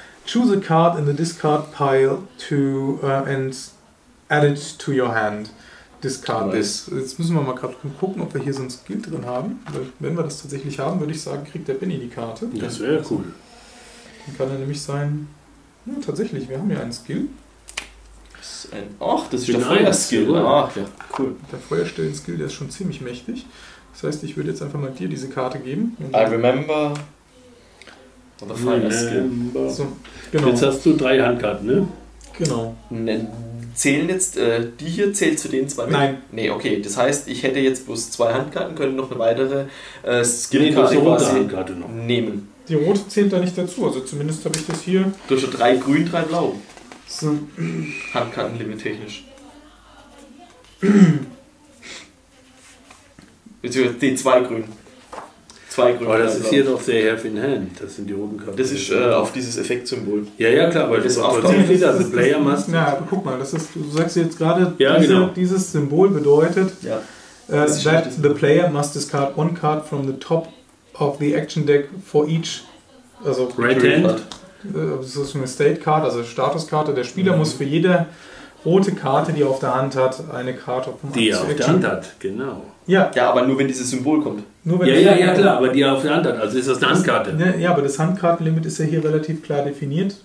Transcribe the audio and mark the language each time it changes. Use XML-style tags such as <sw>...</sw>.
<en>Choose a card in the discard pile to and add it to your hand. Discard this.</en> <de>Jetzt müssen wir mal gerade gucken, ob wir hier so ein Skill drin haben. Weil wenn wir das tatsächlich haben, würde ich sagen, kriegt der Benny die Karte. Das wäre cool. Dann kann er nämlich sein. Ja, tatsächlich, wir haben ja einen Skill. Der Feuerstellen-Skill, der ist schon ziemlich mächtig. Das heißt, ich würde jetzt einfach mal dir diese Karte geben.</de> <en>I remember. The Fire-Skill.</en> <de>So, genau. Jetzt hast du 3 Handkarten, ne? Genau. Zählen jetzt, die hier zählt zu den 2 mit? Nein. Nee, okay. Das heißt, ich hätte jetzt bloß 2 Handkarten, könnte noch eine weitere Skillkarte quasi nehmen. Die rote zählt da nicht dazu, also zumindest habe ich das hier. Du hast schon 3 grün, 3 blau. So. Handkartenlimit technisch. Beziehungsweise die 2 grün. Aber das ist hier doch sehr</de> <en>half in hand.</en> <de>Das sind die roten Karten. Das ist auf dieses Effektsymbol. Ja, ja, klar, weil das ist auch trotzdem wieder ein</de> <en>Player Must.</en> <de>Ja, aber guck mal, das ist, du sagst jetzt gerade, ja, diese, genau. Dieses Symbol bedeutet, ja,</de> <en>that the player must discard one card from the top of the action deck for each.</en> <de>Also,</de> <en>Red Hand?</en> <de>Das ist eine State Card, also Statuskarte. Der Spieler muss für jede rote Karte, die er auf der Hand hat, eine Karte auf dem Action. Die er auf der Hand hat, genau. Ja. Ja, aber nur wenn dieses Symbol kommt. Nur wenn klar, aber die auf der Hand hat. Also ist das eine Handkarte. Ja, aber das Handkartenlimit ist ja hier relativ klar definiert.</de>